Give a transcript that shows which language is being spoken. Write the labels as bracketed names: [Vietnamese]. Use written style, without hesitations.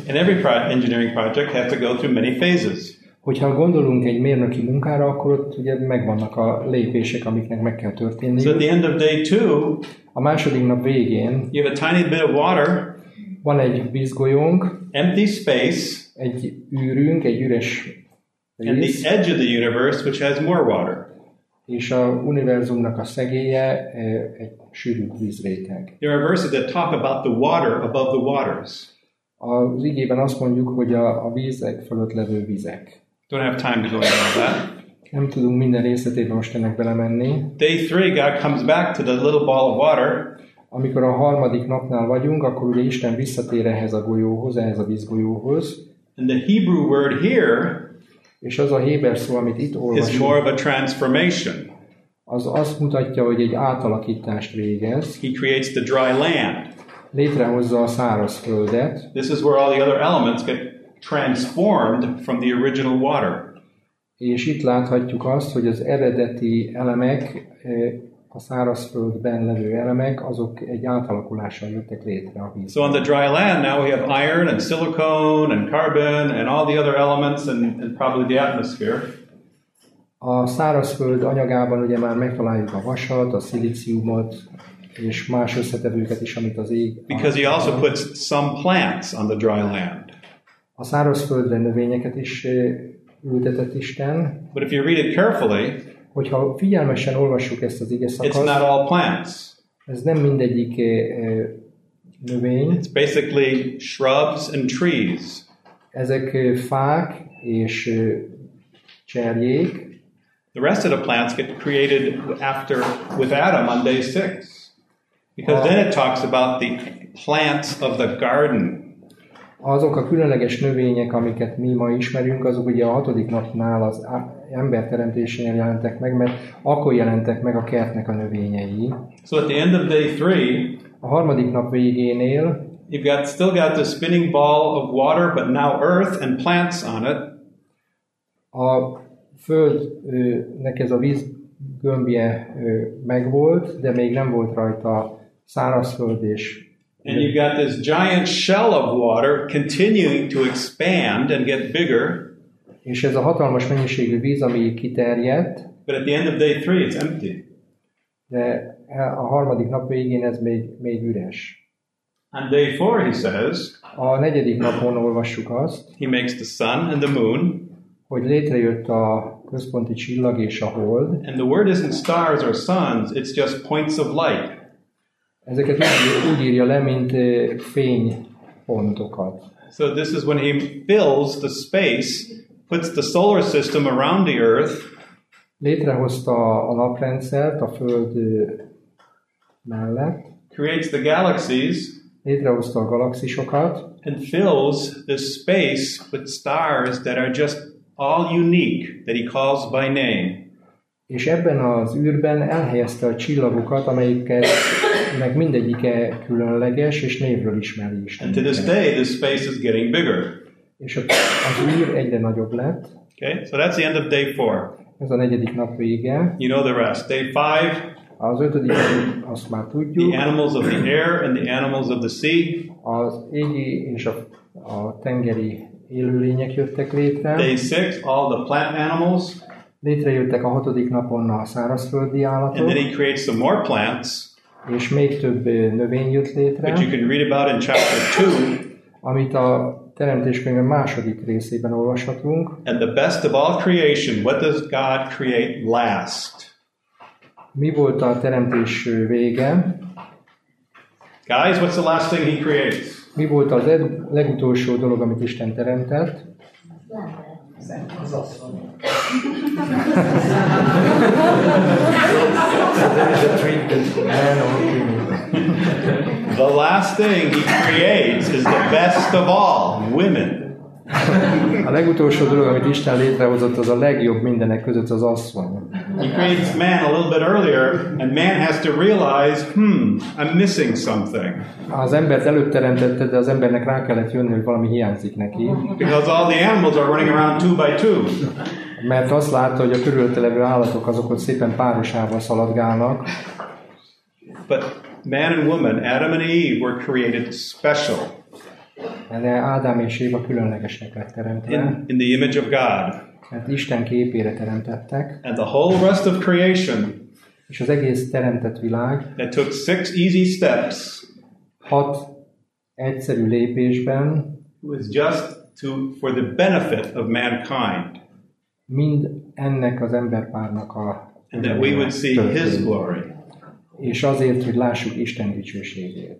[English] And every engineering project has to go through many phases. [Hungarian] Hogyha gondolunk egy mérnöki munkára, akkor ott ugye megvannak a lépések, amiknek meg kell történni. [English] So at the end of day two, [Hungarian] a második nap végén, [English] you have a tiny bit of water, [Hungarian] van egy vízgolyónk, [English] empty space, [Hungarian] egy űrünk, egy üres rész, [English] and the edge of the universe, which has more water. [Hungarian] És a univerzumnak a szegélye egy sűrűbb vízréteg. [English] There are verses that talk about the water above the waters. [Hungarian] Az igében azt mondjuk, hogy a vízek fölött levő vizek. [English] Don't have time to go into that. [Hungarian] Nem tudunk minden részletébe most ennek belemenni. [English] Day three, God comes back to the little ball of water. [Hungarian] Amikor a harmadik napnál vagyunk, akkor ugye Isten visszatér ehhez a golyóhoz, ehhez a vízgolyóhoz. [English] And the Hebrew word here, [Hungarian] és az a héber szó, amit itt olvasunk, [English] more of a transformation. [Hungarian] Az azt mutatja, hogy egy átalakítást végez. [English] He creates the dry land. [Hungarian] Létrehozza a száraz földet. [English] This is where all the other elements get transformed from the original water. [Hungarian] És itt láthatjuk azt, hogy az eredeti elemek, a szárazföldben levő elemek, azok egy átalakulással jöttek létre a vízben. [English] So on the dry land now we have iron and silicon and carbon and all the other elements and probably the atmosphere. [Hungarian] A szárazföld anyagában ugye már megtaláljuk a vasat, a szilíciumot és más összetevőket is, amit az ég. [English] Because he also puts some plants on the dry land. [Hungarian] A szárazföldre növényeket is ültetett Isten. [English] But if you read it carefully, [Hungarian] hogyha figyelmesen olvassuk ezt az igeszakaszt, [English] it's not all plants. [Hungarian] Ez nem mindegyik növény. [English] It's basically shrubs and trees. [Hungarian] Ezek fák és cserjék. [English] The rest of the plants get created after with Adam on day six. Because then it talks about the plants of the garden. [Hungarian] Azok a különleges növények, amiket mi ma ismerünk, azok ugye a hatodik napnál az ember teremtésénél jelentek meg, mert akkor jelentek meg a kertnek a növényei. [English] So at the end of day three, [Hungarian] a harmadik nap végénél, [English] you've got, still got the spinning ball of water, but now earth and plants on it. [Hungarian] A földnek ez a víz gömbje megvolt, de még nem volt rajta szárazföld és. [English] And you've got this giant shell of water continuing to expand and get bigger. [Hungarian] És ez a hatalmas mennyiségű víz, ami kiterjedt. [English] But at the end of day three, it's empty. [Hungarian] De a harmadik nap végén ez még üres. [English] On day four, he says, [Hungarian] a negyedik napon olvassuk azt, [English] he makes the sun and the moon, [Hungarian] hogy létrejött a központi csillag és a hold. [English] And the word isn't stars or suns, it's just points of light. [Hungarian] Ezeket úgy írja le, mint fénypontokat. [English] So this is when he fills the space, puts the solar system around the earth. [Hungarian] Létrehozta a naprendszert a föld mellett. [English] Creates the galaxies. [Hungarian] Létrehozta a galaxisokat. [English] And fills the space with stars that are just all unique, that he calls by name. [Hungarian] És ebben az űrben elhelyezte a csillagokat, amelyiket meg mindegyike különleges, és névről ismeri Isten. [English] And to this day, this space is getting bigger. [Hungarian] És az űr egyre nagyobb lett. [English] Okay, so that's the end of day four. [Hungarian] Ez a negyedik nap vége. [English] You know the rest. Day five. [Hungarian] Az ötödik nap, azt már tudjuk. [English] The animals of the air and the animals of the sea. [Hungarian] Az égi és a tengeri élőlények jöttek létre. [English] Day six, all the plant animals. [Hungarian] Létrejöttek a hatodik napon a szárazföldi állatok. [English] And then he creates some more plants. [Hungarian] És még több növény jött létre. [English] Which you can read about in chapter two. [Hungarian] Amit a teremtéskönyve második részében olvashatunk. [English] And the best of all creation, what does God create last? [Hungarian] Mi volt a teremtés vége? [English] Guys, what's the last thing he creates? [Hungarian] Mi volt az legutolsó dolog, amit Isten teremtett? [English] The last thing he creates is the best of all, women. [Hungarian] A legutolsó dolog, amit Isten létrehozott, az a legjobb mindenek között, az asszony. [English] He creates man a little bit earlier, and man has to realize, I'm missing something. [Hungarian] Az embert előtte teremtette, de az embernek rá kellett jönni, hogy valami hiányzik neki. [English] Because all the animals are running around two by two. [Hungarian] Mert azt látta, hogy a körülötte levő állatok azok szépen párosával szaladgálnak. [English] But man and woman, Adam and Eve, were created special. [Hungarian] De Ádám és Éva különlegesnek lett teremtve. [English] In the image of God. [Hungarian] Mert Isten képére teremtettek. [English] And the whole rest of creation. [Hungarian] És az egész teremtett világ. [English] It took six easy steps. [Hungarian] Hat egyszerű lépésben. [English] Was just for the benefit of mankind. [Hungarian] Mind ennek az emberpárnak a. [English] And that we would see His glory. [Hungarian] És azért, hogy lássuk Isten dicsőségét.